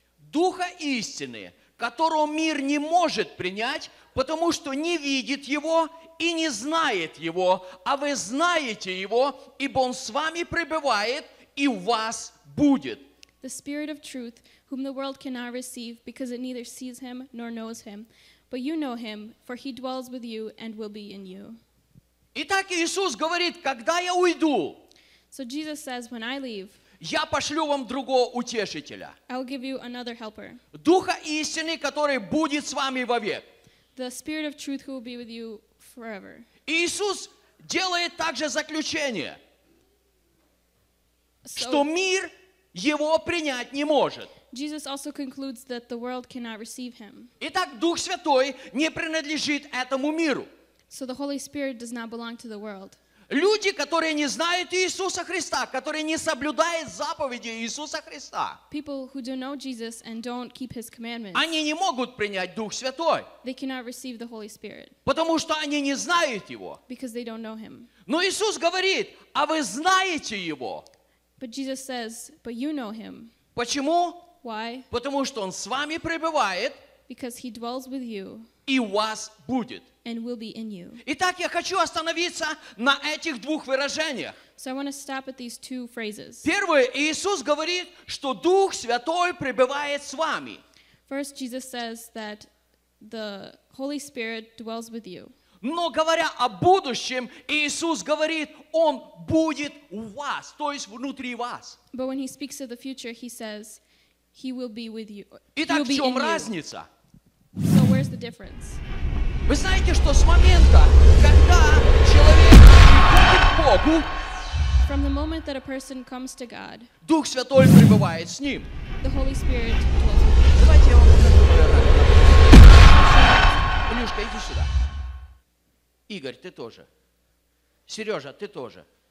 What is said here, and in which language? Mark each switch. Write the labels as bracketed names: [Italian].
[Russian] Духа истины, которого мир не может принять, потому что не видит его и не знает его, а вы знаете его, ибо он с вами пребывает и у вас будет. [English] The Spirit of truth, whom the world cannot receive, because it neither sees him nor knows him, but you know him, for he dwells with you and will be in you. [Russian] Итак, Иисус говорит, когда я уйду, [English] so Jesus says, when I leave, [Russian] я пошлю вам другого утешителя. [English] I'll give you another helper. [Russian] Духа истины, который будет с вами вовек. [English] The Spirit of truth who will be with you forever. [Russian] Иисус делает также заключение, so, что мир его принять не может. [English] Jesus also concludes that the world cannot receive him. [Russian] Итак, Дух Святой не принадлежит этому миру. [English] So the Holy Spirit does not belong to the world. [Russian] Люди, которые не знают Иисуса Христа, которые не соблюдают заповеди Иисуса Христа, [English] people who don't know Jesus and don't keep his commandments, [Russian] они не могут принять Дух Святой, [English] they cannot receive the Holy Spirit, [Russian] потому что они не знают Его. [English] Because they don't know him. [Russian] Но Иисус говорит, а вы знаете Его. [English] But Jesus says, but you know him. [Russian] Почему? [English] Why? [Russian] Потому что Он с вами пребывает, [English] because he dwells with you, [Russian] и у вас будет. [English] And will be in you. [Russian] Итак, я хочу остановиться на этих двух выражениях. [English] So I want to stop at these two phrases. [Russian] Первое, Иисус говорит, что Дух Святой пребывает с вами. [English] First, Jesus says that the Holy Spirit dwells with you. [Russian] Но говоря о будущем, Иисус говорит, Он будет у вас, то есть внутри вас. [English] But when He speaks of the future, He says He will be with you. [Russian] Итак, в чем разница? [English] You. So where's the difference? [Russian] Вы знаете, что с момента, когда человек приходит к Богу, [English] from the moment that a person comes to God, [Russian] Дух Святой пребывает с ним. [English] The Holy Spirit dwells with him. [Russian] Давайте я вам покажу. Илюшка, иди сюда. Игорь, ты тоже. Сережа, ты тоже.